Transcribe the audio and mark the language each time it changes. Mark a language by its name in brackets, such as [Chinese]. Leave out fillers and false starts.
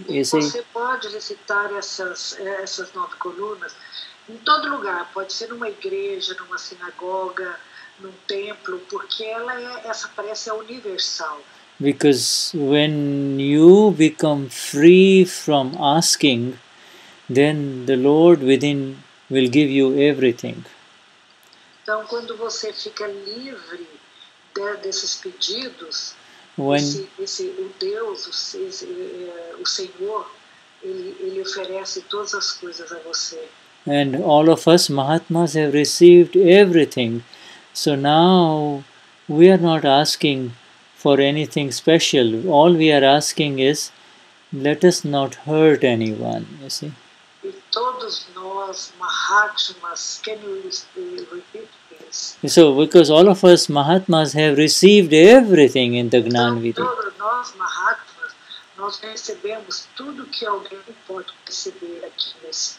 [Portuguese] Você pode recitar essas 9 colunas em todo lugar. Pode ser numa igreja, numa sinagoga. Num templo, porque ela é, essa prece é universal. [English] Because when you become free from asking, then the Lord within will give you everything. [Portuguese] Então, quando você fica livre desses pedidos, o Senhor, ele oferece todas as coisas a você. [English] And all of us Mahatmas have received everything. So now, we are not asking for anything special. All we are asking is, let us not hurt anyone, you see. [Portuguese] E todos nós, [English] Mahatmas, can you repeat this? So, because all of us Mahatmas have received everything in the Gnanvita. [Portuguese] Então, todos nós, Mahatmas, nós recebemos tudo que alguém pode receber aqui nesse